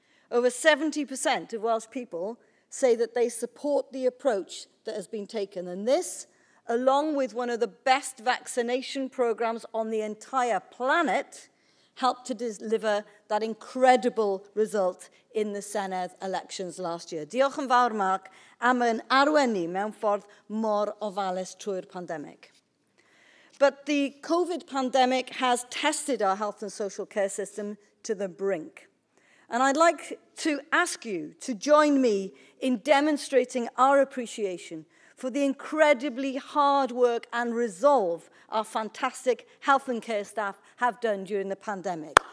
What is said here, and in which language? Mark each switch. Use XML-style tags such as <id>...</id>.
<en>Over 70% of Welsh people say that they support the approach that has been taken, and this, along with one of the best vaccination programs on the entire planet, helped to deliver that incredible result in the Senedd elections last year.</en> <cy>Diolch yn fawr, Mark, am yn arwen ni mewn ffordd mor ofalus trwy'r pandemic.</cy> <en>But the COVID pandemic has tested our health and social care system to the brink. And I'd like to ask you to join me in demonstrating our appreciation for the incredibly hard work and resolve our fantastic health and care staff have done during the pandemic.</en>